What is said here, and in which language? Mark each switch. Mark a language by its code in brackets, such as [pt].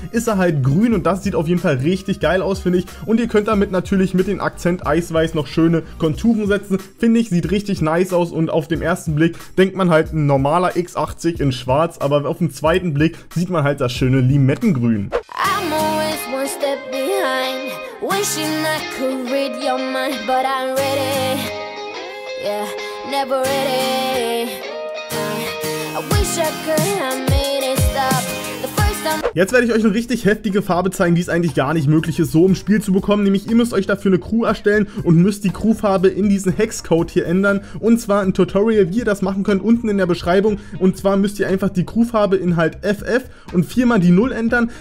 [de] ist er halt grün, und das sieht auf jeden Fall richtig geil aus, finde ich, und ihr könnt damit natürlich mit dem Akzent Eisweiß noch schöne Konturen setzen, finde ich, sieht richtig nice aus, und auf den ersten Blick denkt man halt ein normaler X80 in Schwarz, aber auf dem zweiten Blick sieht man halt das schöne Limettengrün. [en] I'm always one step behind, wishing I could read your mind, but I'm ready, yeah, never ready. I wish I could have made it stop. [de] Jetzt werde ich euch eine richtig heftige Farbe zeigen, die es eigentlich gar nicht möglich ist, so im Spiel zu bekommen. Nämlich, ihr müsst euch dafür eine Crew erstellen und müsst die Crewfarbe in diesen Hexcode hier ändern. Und zwar ein Tutorial, wie ihr das machen könnt, unten in der Beschreibung. Und zwar müsst ihr einfach die Crewfarbe in halt FF und viermal die 0 ändern.